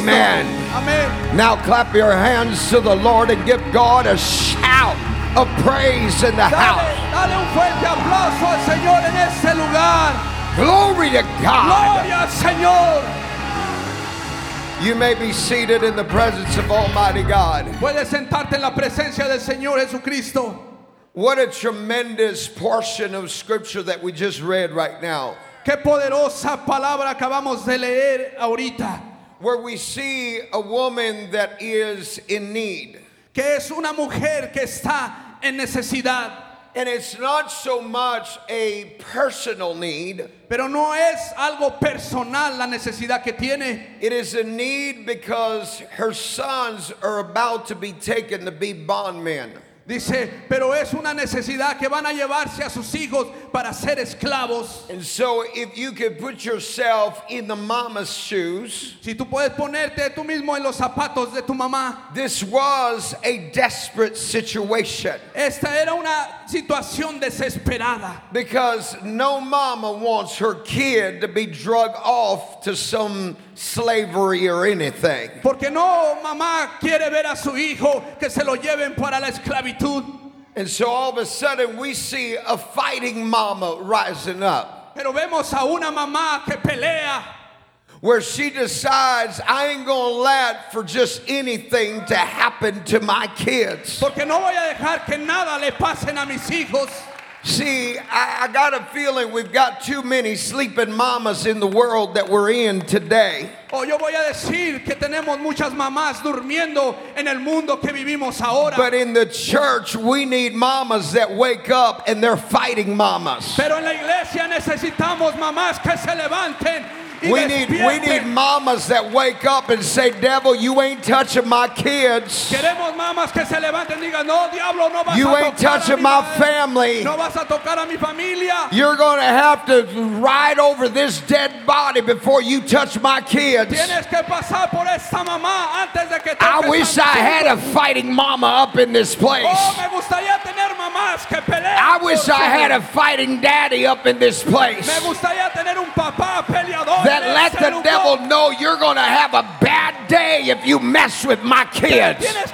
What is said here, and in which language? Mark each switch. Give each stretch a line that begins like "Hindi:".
English: Amen. Amen. Now clap your hands to the Lord and give God a shout of praise in the house.
Spanish: Dale un fuerte aplauso al Señor en este lugar.
English: Glory to God.
Spanish: Gloria al Señor.
English: You may be seated in the presence of Almighty God.
Spanish: Puedes sentarte en la presencia del Señor Jesucristo.
English: What a tremendous portion of scripture that we just read right now.
Spanish: Qué poderosa palabra acabamos de leer ahorita.
English: Where we see a woman that is in need.
Spanish: Que es una mujer que está en necesidad.
English: And it's not so much a personal need.
Spanish: Pero no es algo personal la necesidad que tiene.
English: It is a need because her sons are about to be taken to be bondmen.
Spanish: Dice, pero es una necesidad que van a llevarse a sus hijos para ser esclavos.
English: And so if you could put yourself in the mama's shoes,
Spanish: si tú puedes ponerte tú mismo en los zapatos de tu mamá,
English: this was a desperate situation.
Spanish: Esta era una situación desesperada.
English: Because no mama wants her kid to be drug off to some slavery or anything.
Spanish: Porque no mamá quiere ver a su hijo que se lo lleven para la esclavitud.
English: And so all of a sudden we see a fighting mama rising up.
Spanish: Pero vemos a una mamá que pelea.
English: Where she decides, I ain't gonna let for just anything to happen to my kids.
Spanish: Porque no voy a dejar que nada le pasen a mis hijos.
English: See, I got a feeling we've got too many sleeping mamas in the world that we're in today.
Spanish: Oh, yo voy a decir que tenemos muchas mamás durmiendo en el mundo que vivimos ahora.
English: But in the church, we need mamas that wake up and they're fighting mamas.
Spanish: Pero en la iglesia necesitamos mamás que se levanten.
English: We need mamas that wake up and say, devil, you ain't touching my kids.
Spanish: Queremos mamas que se levanten, diga, no, diablo, no vas
English: you
Spanish: a
English: ain't
Spanish: tocar
English: touching
Spanish: a mi
English: my family.
Spanish: No vas a tocar a mi familia.
English: You're going to have to ride over this dead body before you touch my kids.
Spanish: Tienes que pasar por esta mamá antes de que toques.
English: I wish I had a fighting mama up in this place.
Spanish: Oh, me gustaría tener mamás que peleen.
English: I wish I had a fighting daddy up in this place.
Spanish: Me gustaría tener un papá peleador.
English: That let the devil know you're going to have a bad day if you mess with my kids.